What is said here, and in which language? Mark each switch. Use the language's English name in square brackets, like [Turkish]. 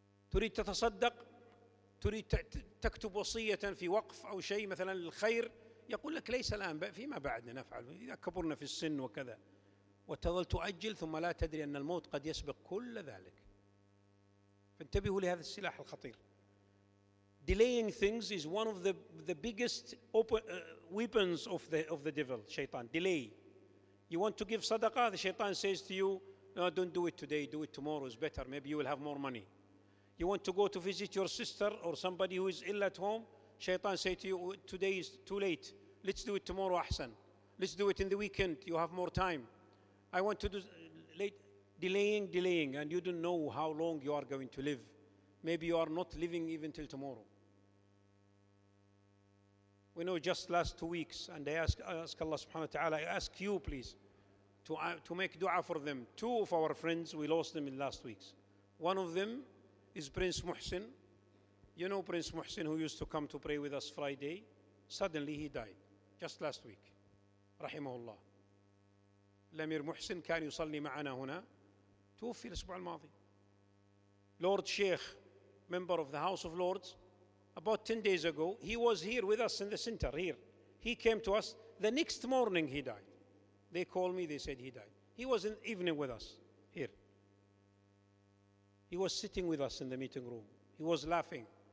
[Arabic] تريد تتصدق تريد تكتب وصية في وقف أو شيء مثلا للخير يقول لك ليس الآن فيما بعد نفعل إذا كبرنا في السن وكذا وتظل تؤجل ثم لا تدري أن الموت قد يسبق كل ذلك. فانتبهوا لهذا السلاح الخطير. [English] Delaying things is one of the biggest weapons of the devil, shaitan. Delay. You want to give sadaqah, the shaitan says to you, no, don't do it today, do it tomorrow, it's better, maybe you will have more money. You want to go to visit your sister or somebody who is ill at home, shaitan says to you, today is too late, let's do it tomorrow, ahsan. Let's do it in the weekend, you have more time. I want to do late. Delaying, delaying, and you don't know how long you are going to live. Maybe you are not living even till tomorrow. We know just last 2 weeks, and I ask Allah subhanahu wa ta'ala, I ask you please to make dua for them. Two of our friends, we lost them in last weeks. One of them is Prince Muhsin. You know Prince Muhsin who used to come to pray with us Friday? Suddenly he died, just last week. Rahimahullah. [Arabic] الأمير محسن كان يصلي معنا هنا توفي الأسبوع الماضي. [English] Lord Sheikh, member of the House of Lords, about 10 days ago, he was here with us in the center, here. He came to us. The next morning he died. They called me, they said he died. He was in the evening with us, here. He was sitting with us in the meeting room. He was laughing.